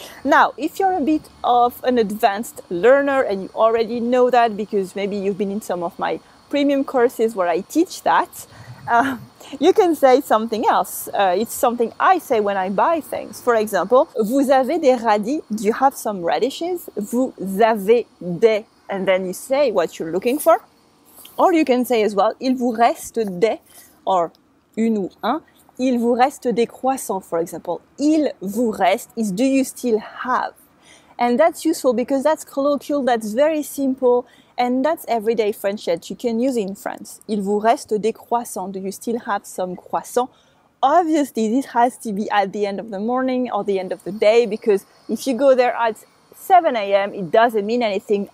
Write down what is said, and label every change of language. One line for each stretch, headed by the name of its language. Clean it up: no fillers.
English: Now, if you're a bit of an advanced learner and you already know that because maybe you've been in some of my premium courses where I teach that, you can say something else. It's something I say when I buy things. For example,
French: vous avez des radis?
English: Do you have some radishes?
French: Vous avez des?
English: And then you say what you're looking for. Or you can say as well,
French: il vous reste des? Or une ou un, il vous reste des croissants,
English: for example.
French: Il vous reste
English: is do you still have? And that's useful because that's colloquial, that's very simple, and that's everyday French that you can use in France.
French: Il vous reste des croissants,
English: do you still have some croissants? Obviously, this has to be at the end of the morning or the end of the day because if you go there at 7 a.m., it doesn't mean anything.